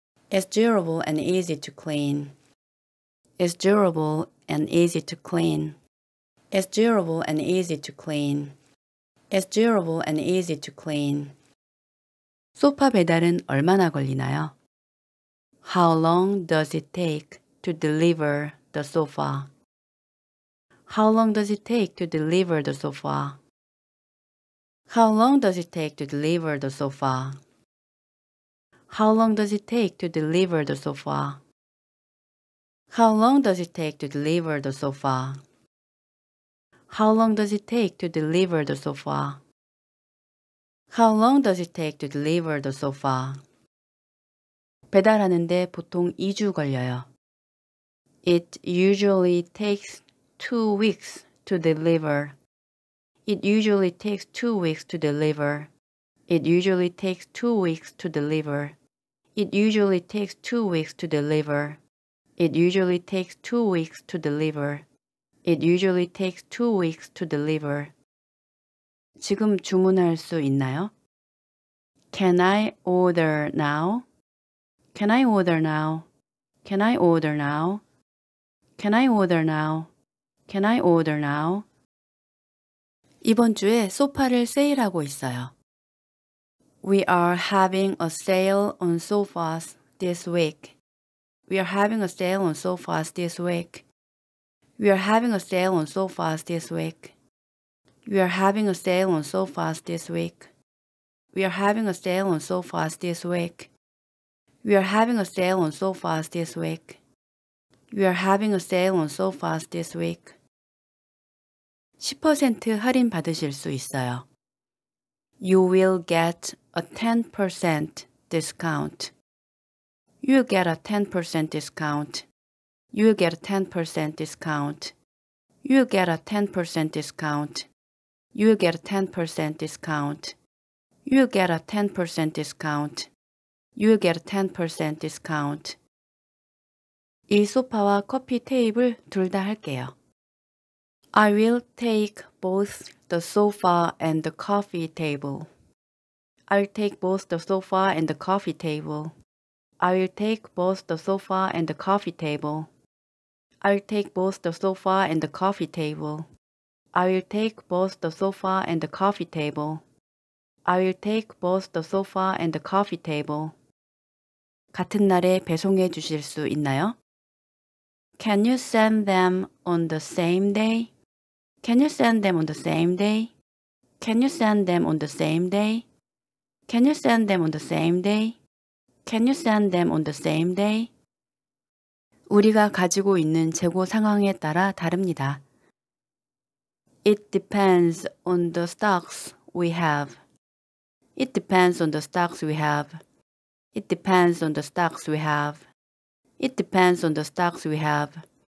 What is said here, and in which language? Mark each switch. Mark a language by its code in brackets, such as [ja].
[en] It's durable and easy to clean. It's durable and easy to clean. It's durable and easy to clean. It's durable and easy to clean. [ko] 소파 배달은 얼마나 걸리나요? [en] How long does it take to deliver the sofa? How long does it take to deliver the sofa? How long does it take to deliver the sofa? How long does it take to deliver the sofa? How long does it take to deliver the sofa? How long does it take to deliver the sofa? How long does it take to deliver the sofa? How long does it take to deliver the sofa? [ko] 배달하는데 보통 2주 걸려요. [en] It usually takes 2 weeks to deliver. It usually takes 2 weeks to deliver. It usually takes 2 weeks to deliver. It usually takes 2 weeks to deliver. It usually takes 2 weeks to deliver. It usually takes 2 weeks to deliver. [ko] 지금 주문할 수 있나요? [en] Can I order now? Can I order now? Can I order now? Can I order now? Can I order now? [ko] 이번 주에 소파를 세일하고 있어요. [en] We are having a sale on sofas this week. We are having a sale on sofas this week. We are having a sale on sofas this week. We are having a sale on sofas this week. We are having a sale on sofas this week. We are having a sale on sofas this week. We are having a sale on sofas this week. [ko] 10% 할인 받으실 수 있어요. [en] You will get a 10% discount. You will get a 10% discount. You will get a 10% discount. You will get a 10% discount. You will get a 10% discount. You will get a 10% discount. You will get a 10% discount. [ko] 이 소파와 커피 테이블 둘 다 할게요. [en] I will take both the sofa and the coffee table. I'll take both the sofa and the coffee table. I will take both the sofa and the coffee table. I'll take both the sofa and the coffee table. I will take both the sofa and the coffee table. I will take both the sofa and the coffee table. [ko] 같은 날에 배송해 주실 수 있나요? [en] Can you send them on the same day? Can you send them on the same day? Can you send them on the same day? Can you send them on the same day? Can you send them on the same day? [ko] 우리가 가지고 있는 재고 상황에 따라 다릅니다. [en] It depends on the stocks we have. It depends on the stocks we have. It depends on the stocks we have. It depends on the stocks we have.